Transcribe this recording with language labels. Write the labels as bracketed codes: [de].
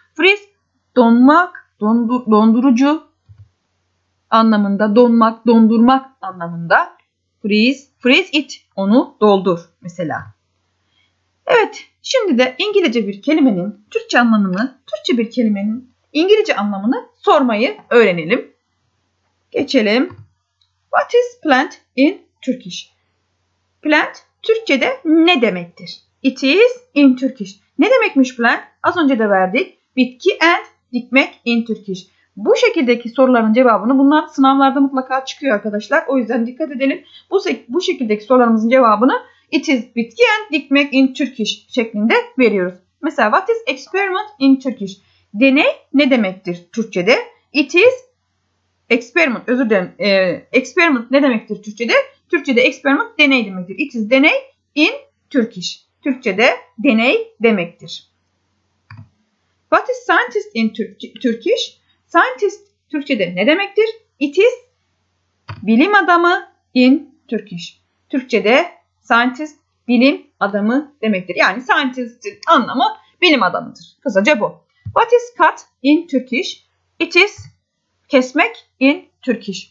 [tr] Freeze, donmak, dondurucu anlamında, donmak, dondurmak anlamında. [en] Freeze it, [tr] onu doldur mesela. Evet, şimdi de İngilizce bir kelimenin Türkçe anlamını, Türkçe bir kelimenin İngilizce anlamını sormayı öğrenelim. Geçelim. [en] What is plant in Turkish? [tr] Plant, Türkçe'de ne demektir? [en] It is in Turkish. [tr] Ne demekmiş plant? Az önce de verdik. [en] Bitki and dikmek in Turkish. [tr] Bu şekildeki soruların cevabını, bunlar sınavlarda mutlaka çıkıyor arkadaşlar. O yüzden dikkat edelim. Bu şekildeki sorularımızın cevabını [en] it is bitki and dikmek in Turkish [tr] şeklinde veriyoruz. Mesela [en] what is experiment in Turkish? [tr] Deney ne demektir Türkçe'de? [en] It is experiment. [tr] Özür dilerim. Experiment ne demektir Türkçe'de? Türkçe'de experiment deney demektir. [en] It is deney in Turkish. [tr] Türkçe'de deney demektir. [en] What is scientist in Turkish? [tr] Scientist Türkçe'de ne demektir? [en] It is bilim adamı in Turkish. [tr] Türkçe'de scientist bilim adamı demektir. Yani scientist'in anlamı bilim adamıdır. Kısaca bu. [en] What is cut in Turkish? It is kesmek in Turkish.